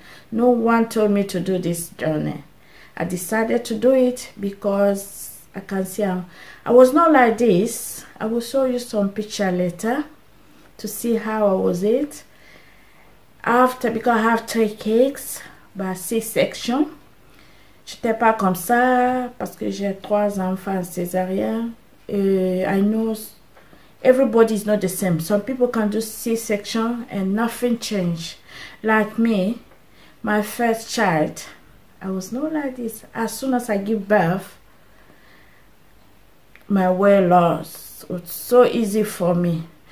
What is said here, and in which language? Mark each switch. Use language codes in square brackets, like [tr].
[en] No one told me to do this journey. I decided to do it because I can see I was not like this. I will show you some picture later to see how I was it. After, because I have 3 cakes by C-section. [fr] J'étais pas comme ça parce que j'ai 3 enfants césarien. [en] I know everybody is not the same. Some people can do C-section and nothing change. Like me, my first child, I was not like this. As soon as I give birth, my weight loss was so easy for me.